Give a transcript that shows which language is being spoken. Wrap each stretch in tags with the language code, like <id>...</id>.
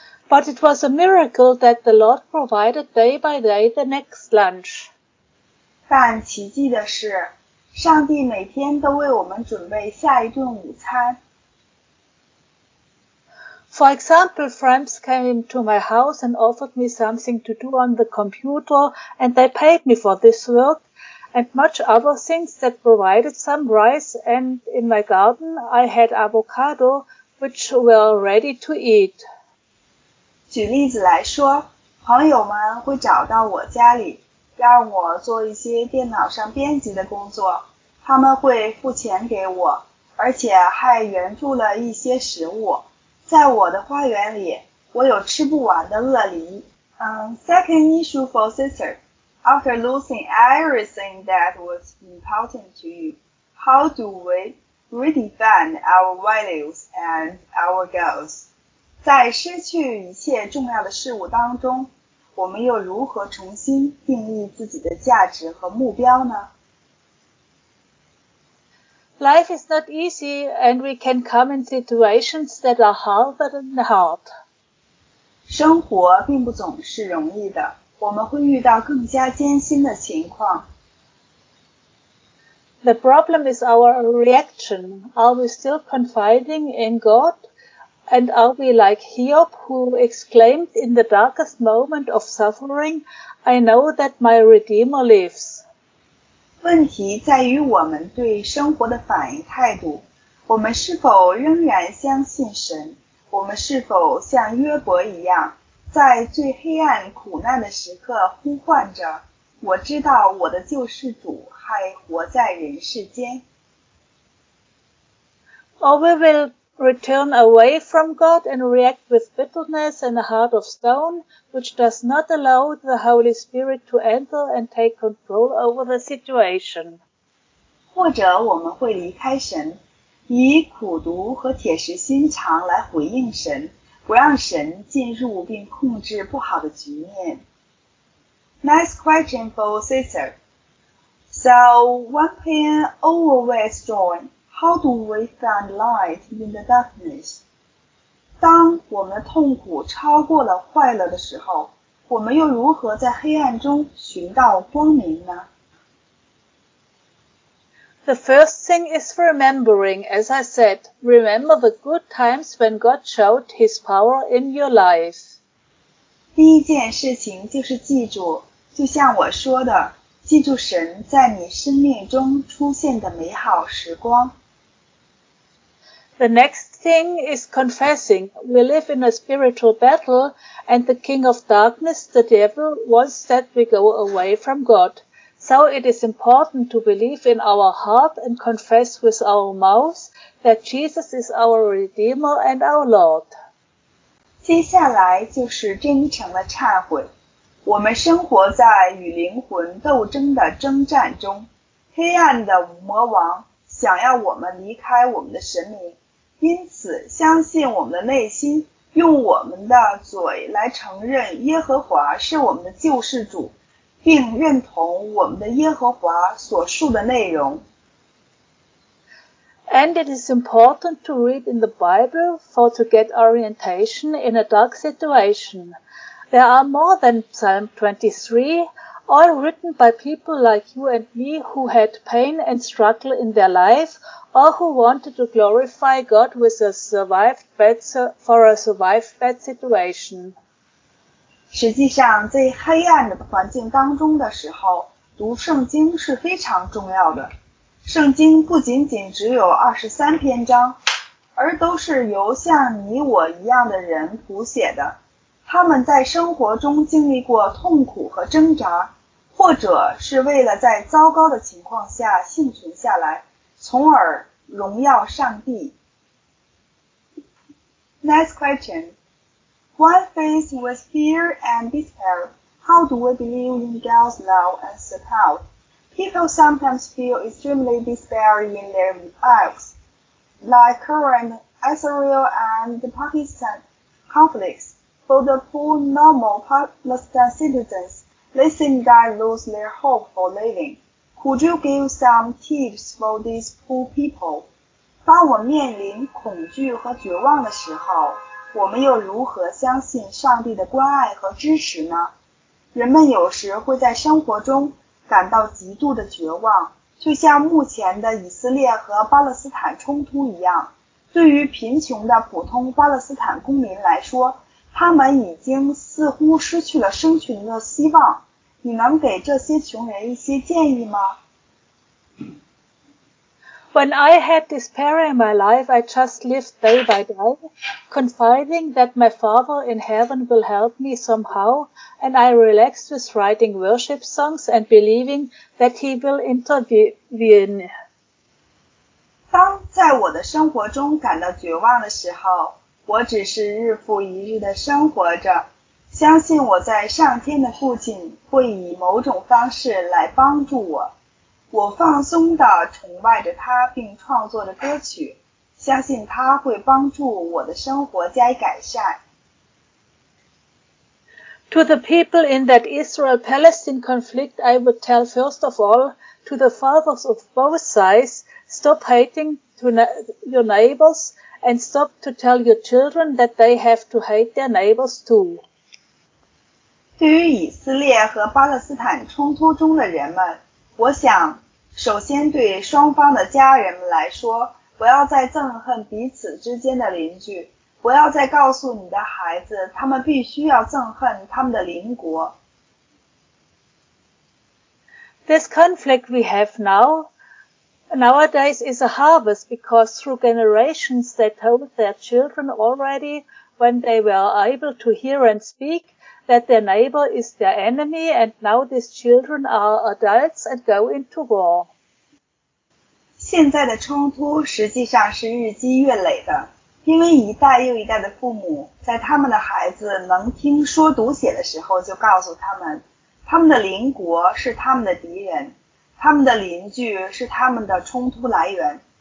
<en>But it was a miracle that the Lord provided day by day the next lunch.</en> <zh>但奇迹的是，上帝每天都为我们准备下一顿午餐。</zh> <en>For example, friends came to my house and offered me something to do on the computer, and they paid me for this work, and much other things that provided some rice, and in my garden I had avocado, which were ready to eat.</en> <zh>举例子来说，朋友们会找到我家里，让我做一些电脑上编辑的工作，他们会付钱给我，而且还援助了一些食物。在我的花园里，我有吃不完的鳄梨。</zh> <en>Second issue for sister, after losing everything that was important to you, how do we redefine our values and our goals?</en> <zh>在失去一切重要的事物当中，我们又如何重新定义自己的价值和目标呢？</zh> <en>Life is not easy, and we can come in situations that are harder than hard.</en> <zh>生活并不总是容易的，我们会遇到更加艰辛的情况。</zh> <en>The problem is our reaction. Are we still confiding in God? And are we like Hiob who exclaimed in the darkest moment of suffering, I know that my Redeemer lives?</en> <zh>问题在于我们对生活的反应态度。我们是否仍然相信神？我们是否像约伯一样，在最黑暗苦难的时刻呼唤着，我知道我的救世主还活在人世间。</zh> <en>Or we will return away from God and react with bitterness and a heart of stone, which does not allow the Holy Spirit to enter and take control over the situation.</en> <zh>或者我们会离开神，以苦毒和铁石心肠来回应神，不让神进入并控制不好的局面。</zh> <en>Next question for Cesar. So, when pain overwhelms joy, how do we find light in the darkness?</en> <zh>当我们痛苦超过了快乐的时候，我们又如何在黑暗中寻到光明呢？</zh> <en>The first thing is remembering, as I said, remember the good times when God showed His power in your life.</en> <zh>第一件事情就是记住，就像我说的，记住神在你生命中出现的美好时光。</zh> <en>The next thing is confessing. We live in a spiritual battle, and the king of darkness, the devil, wants that we go away from God. So it is important to believe in our heart and confess with our mouth that Jesus is our Redeemer and our Lord.</en> <zh>接下来就是真诚的忏悔。我们生活在与灵魂斗争的征战中，黑暗的魔王想要我们离开我们的神明，因此相信我们的内心，用我们的嘴来承认耶和华是我们的救世主。并认同我们的耶和华所述的内容。</zh> <en>And it is important to read in the Bible for to get orientation in a dark situation. There are more than Psalm 23, all written by people like you and me who had pain and struggle in their life, or who wanted to glorify God with a survived bad situation.</en> <zh>实际上在黑暗的环境当中的时候，读圣经是非常重要的。圣经不仅仅只有23篇章，而都是由像你我一样的人谱写的。他们在生活中经历过痛苦和挣扎，或者是为了在糟糕的情况下幸存下来，从而荣耀上帝。</zh> <en>Next question. When faced with fear and despair, how do we believe in God's love and support? People sometimes feel extremely despairing in their lives, like current Israel and Pakistan conflicts. For the poor, normal Palestinian citizens, they seem to lose their hope for living. Could you give some tips for these poor people?</en> <zh>当我面临恐惧和绝望的时候，我们又如何相信上帝的关爱和支持呢？人们有时会在生活中感到极度的绝望，就像目前的以色列和巴勒斯坦冲突一样。对于贫穷的普通巴勒斯坦公民来说，他们已经似乎失去了生存的希望。你能给这些穷人一些建议吗？</zh> <en>When I had despair in my life, I just lived day by day, confiding that my Father in heaven will help me somehow, and I relaxed with writing worship songs and believing that He will intervene.</en> <zh>当在我的生活中感到绝望的时候，我只是日复一日的生活着，相信我在上天的父亲会以某种方式来帮助我。我放松地崇拜着他，并创作着歌曲，相信他会帮助我的生活加以改善。</zh> <en>To the people in that Israel-Palestine conflict, I would tell first of all to the fathers of both sides, stop hating your neighbors and stop to tell your children that they have to hate their neighbors too.</en> <zh>对于以色列和巴勒斯坦冲突中的人们，我想首先对双方的家人们来说，不要再憎恨彼此之间的邻居，不要再告诉你的孩子他们必须要憎恨他们的邻国。</zh> <en>This conflict we have nowadays is a harvest because through generations they told their children already when they were able to hear and speak that their neighbor is their enemy and now these children are adults and go into war.</en> <zh>现在的冲突实际上是日积月累的，因为一代又一代的父母在他们的孩子能听说读写的时候就告诉他们他们的邻国是他们的敌人，他们的邻居是他们的冲突来源。</zh>